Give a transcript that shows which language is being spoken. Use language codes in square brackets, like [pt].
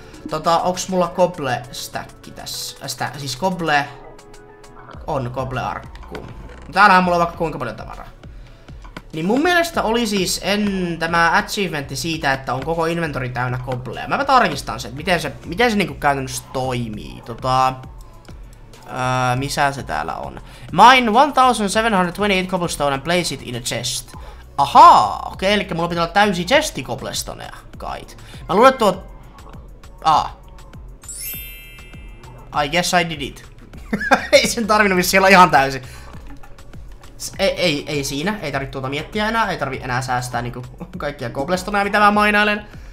[fi] Tota, onks mulla cobble stacki tässä? Siis cobble on cobble arkku. Täällähän mulla on vaikka kuinka paljon tavaraa. Niin mun mielestä oli siis tämä achievementti siitä, että on koko inventori täynnä cobblea. Mä tarkistan sen, että miten se niinku käytännössä toimii. Tota, missä se täällä on? [en] Mine 1728 cobblestone and place it in a chest. [fi] Ahaa, okei, elikkä mulla pitää olla täysi chesti cobblestoneja, kait. Mä luulen, että [en] I guess I did it. [fi] Ei sen tarvinnut missä siellä ihan täysi. Ei siinä, ei tarvitse tuota miettiä enää, ei tarvitse enää säästää niinku kaikkia cobblestoneja, mitä mä mainailen.